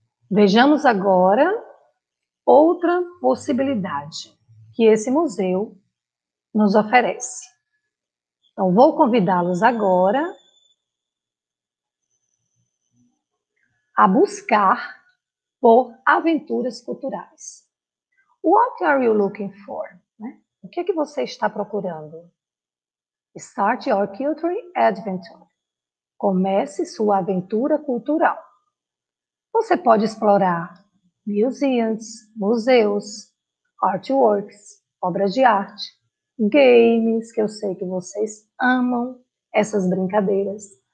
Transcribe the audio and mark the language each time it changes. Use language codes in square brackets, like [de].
[pt] Vejamos agora outra possibilidade que esse museu nos oferece. Então, vou convidá-los agora a buscar por aventuras culturais. [en] What are you looking for? [pt] O que é que você está procurando? [en] Start your culture adventure. [pt] Comece sua aventura cultural. Você pode explorar museums, museus, artworks, obras de arte, games, que eu sei que vocês amam essas brincadeiras.